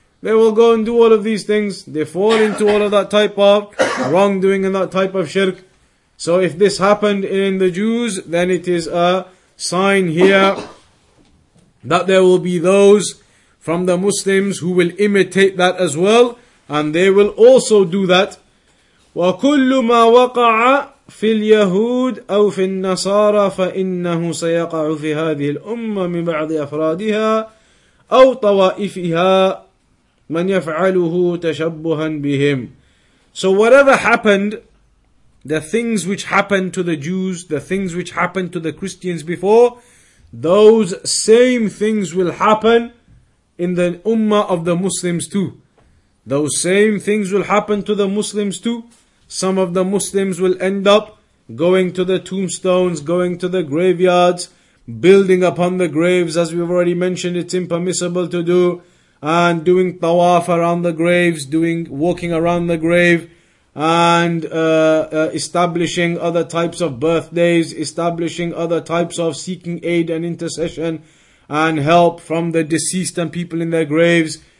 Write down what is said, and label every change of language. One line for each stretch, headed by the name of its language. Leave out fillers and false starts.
English: They will go and do all of these things. They fall into all of that type of wrongdoing and that type of shirk. So if this happened in the Jews, then it is a sign here that there will be those from the Muslims who will imitate that as well. And they will also do that.
Arabic: وَكُلُّ مَا وَقَعَ فِي الْيَهُودِ أَوْ فِي النَّصَارَى فَإِنَّهُ سَيَقَعُ فِي هَذِهِ الْأُمَّةِ مِنْ بَعْضِ أَفْرَادِهَا أَوْ طَوَائِفِهَا مَنْ يَفْعَلُهُ تَشَبُّهًا بِهِمْ
English: So whatever happened the things which happened to the Jews, the things which happened to the Christians before, those same things will happen in the Ummah of the Muslims too. Those same things will happen to the Muslims too. Some of the Muslims will end up going to the tombstones, going to the graveyards, building upon the graves, as we've already mentioned, it's impermissible to do, and doing tawaf around the graves, doing walking around the grave, and establishing other types of birthdays, establishing other types of seeking aid and intercession and help from the deceased and people in their graves.